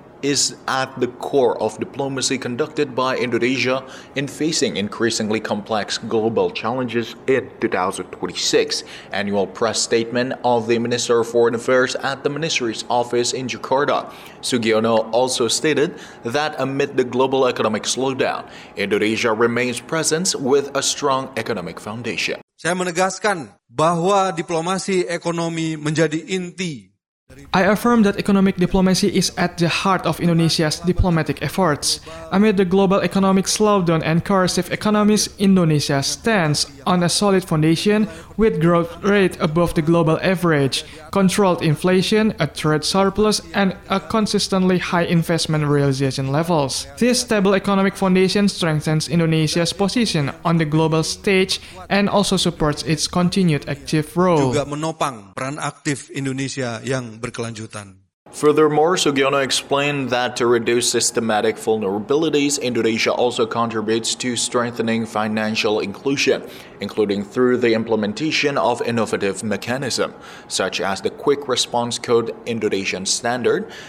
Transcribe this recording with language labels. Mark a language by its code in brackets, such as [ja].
[en] is at the core of diplomacy conducted by Indonesia in facing increasingly complex global challenges in 2026. Annual press statement of the Minister of Foreign Affairs at the Ministry's office in Jakarta, Sugiono also stated that amid the global economic slowdown, Indonesia remains present with a strong economic foundation. [id] Saya menegaskan bahwa diplomasi ekonomi menjadi inti. [en] I affirm that economic diplomacy is at the heart of Indonesia's diplomatic efforts. Amid the global economic slowdown and coercive economies, Indonesia stands on a solid foundation with growth rate above the global average, controlled inflation, a trade surplus, and a consistently high investment realization levels. This stable economic foundation strengthens Indonesia's position on the global stage and also supports its continued active role. [id] Juga menopang peran aktif Indonesia yang berkelanjutan. [en] Furthermore, Sugiono explained that to reduce systematic vulnerabilities, Indonesia also contributes to strengthening financial inclusion, including through the implementation of innovative mechanisms, such as the Quick Response Code Indonesian Standard.